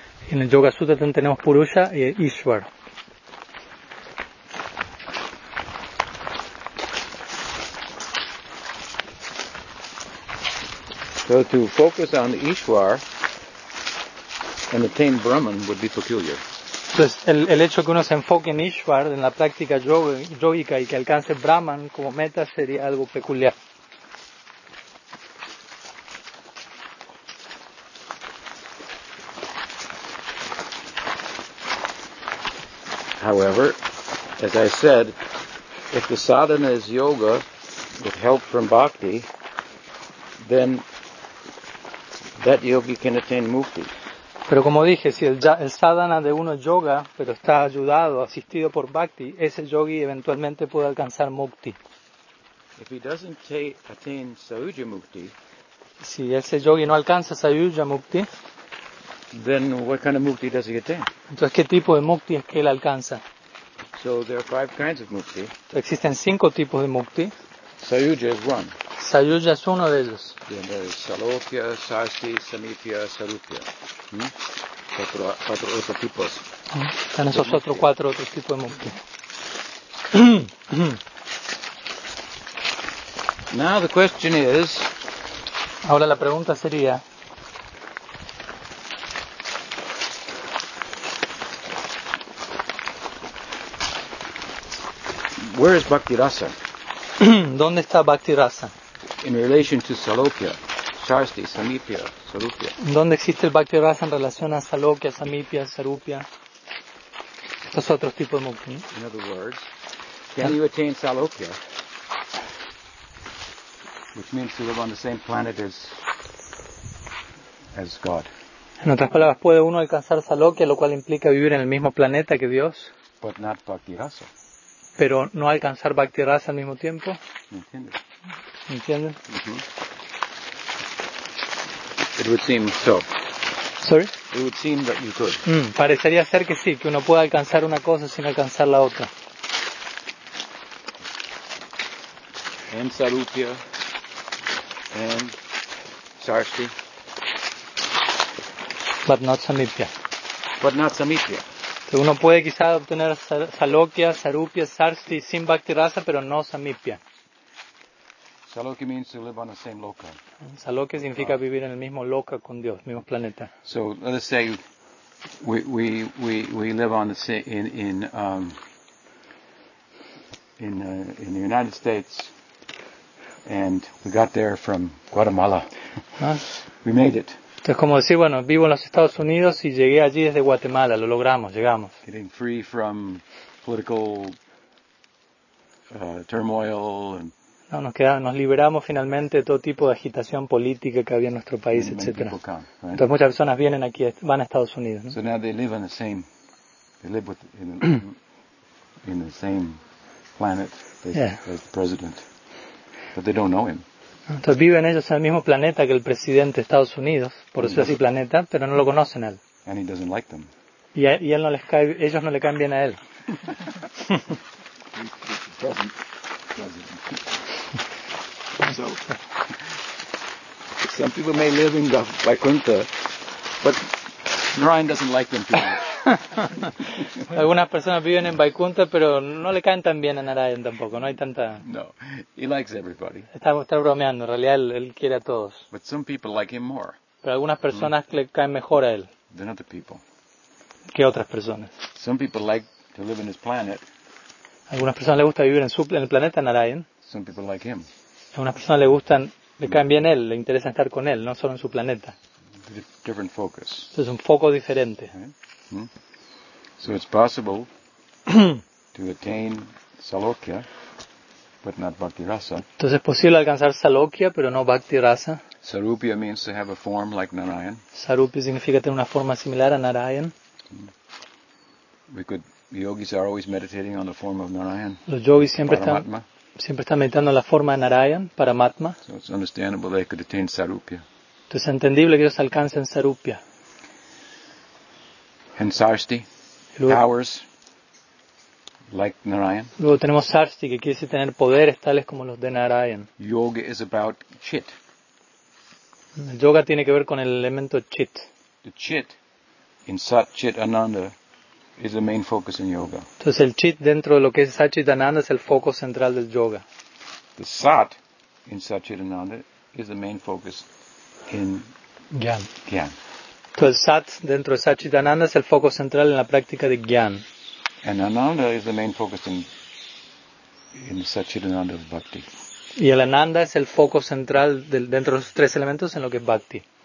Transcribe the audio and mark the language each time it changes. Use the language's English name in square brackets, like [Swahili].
[Spanish] En el Yoga Sutra tenemos Purusha y Ishwar. [English] So to focus on the Ishwar and attain Brahman would be peculiar. [Spanish] Entonces, el hecho que uno se enfoque en Ishwar, en la práctica yógica, y que alcance Brahman como meta, sería algo peculiar. [English] However, as I said, if the sadhana is yoga, with help from bhakti, then that yogi can attain mukti. [Spanish] Pero como dije, si el sadhana de uno es yoga, pero está ayudado, asistido por bhakti, ese yogi eventualmente puede alcanzar mukti. [English] If he doesn't attain sayujya mukti, [Spanish] si ese yogi no alcanza sayujya mukti, [English] then what kind of mukti does he attain? [Spanish] Entonces, ¿qué tipo de mukti es que él alcanza? [English] So there are five kinds of mukti. [Spanish] Entonces, existen cinco tipos de mukti. [English] Sayujya is one. [Spanish] Sayujya es uno de ellos. [English] Then there is salokya, sasti, samipya, sarupya. [Spanish] Cuatro otros tipos. Están esos otros cuatro otros tipos de mukti. [English] Now the question is. [Spanish] Ahora la pregunta sería. [English] Where is bhakti rasa? [Spanish] ¿Dónde está bhakti rasa? [English] In relation to salokya, sasti, samipya. Sarupya. [Spanish] ¿Dónde existe el Bhakti Rasa en relación a Salokya, Samipya, Sarupya? Los otros tipos de mukti. [English] In other words, can you attain Salokya, which means to live on the same planet as God? [Spanish] En otras palabras, ¿puede uno alcanzar Salokya, lo cual implica vivir en el mismo planeta que Dios? [English] But not Bhakti Rasa. [Spanish] Pero no alcanzar Bhakti Rasa al mismo tiempo. ¿Entienden? [English] It would seem so. Sorry? It would seem that you could. [Spanish] Parecería ser que sí, que uno puede alcanzar una cosa sin alcanzar la otra. [English] And sarupya, and sarsti. But not samipya. But not samipya. [Spanish] So uno puede quizá obtener salokya, sarupya, sarsti sin bhakti rasa, pero no samipya. [English] Salokya means to live on the same loka. [Spanish] Salokya significa vivir en el mismo loka con Dios, mismo planeta. [English] So let's say we live on the same in the United States, and we got there from Guatemala. We made it. [Spanish] Entonces, como decir, bueno, vivo en los Estados Unidos y llegué allí desde Guatemala, lo logramos, llegamos. [English] Getting free from political turmoil and. [Spanish] No, nos liberamos finalmente de todo tipo de agitación política que había en nuestro país, etc. [English] Right? [Spanish] Entonces muchas personas vienen aquí, van a Estados Unidos. ¿No? [English] So now they live on the same, they live with, in the same planet as the president, but they don't know him. [Spanish] Entonces viven ellos en el mismo planeta que el presidente de Estados Unidos, por eso es así planeta, pero no lo conocen a él. [English] And he doesn't like them. [Spanish] Y él no les cae, ellos no le caen bien a él. [English] So, some people may live in the Vaikuntha, but Ryan doesn't like them too much. [Spanish] Algunas personas viven en Vaikuntha, pero no le caen tan bien a Narayan tampoco. No hay tanta. [English] No, he likes everybody. [Spanish] Está bromeando. En realidad, él quiere a todos. [English] But some people like him more. [Spanish] Pero algunas personas le caen mejor a él. [English] Than other people. [Spanish] Que otras personas. [English] Some people like to live in his planet. [Spanish] Algunas personas le gusta vivir en el planeta Narayan. [English] Some people like him. [Spanish] Algunas personas le gustan, le caen bien él, le interesa estar con él, no solo en su planeta. [English] Different focus. [Spanish] Es un foco diferente. [English] So it's possible to attain Salokya, but not Bhakti Rasa. [Spanish] Entonces es posible alcanzar Salokya, pero no Bhakti Rasa. [English] Sarupya means to have a form like Narayan. [Spanish] Sarupya significa tener una forma similar a Narayan. [English] Yogis are always meditating on the form of Narayan. [Spanish] Los yogis siempre están meditando en la forma de Narayan, Paramatma. [English] So it's understandable they could attain Sarupya. [Spanish] Entonces es entendible que ellos alcancen Sarupya. [English] And Sarsti, powers like Narayan. [Spanish] Luego tenemos Sarsti, que quiere decir tener poderes tales como los de Narayan. [English] Yoga is about chit. [Spanish] El yoga tiene que ver con el elemento chit. [English] The chit in Sat Chit Ananda is the main focus in yoga. [Spanish] Entonces el chit dentro de lo que es Sat Chit Ananda es el foco central del yoga. [English] The Sat in Sat Chit Ananda is the main focus in Gyan. Gyan. [Spanish] Entonces Sat dentro de Sat Chit Ananda es el foco central en la práctica de Gyan. [English] And Ananda is the main focus in Sat Chit Ananda of Bhakti. [Spanish] Y el Ananda es el foco central dentro de los tres elementos en lo que es Bhakti.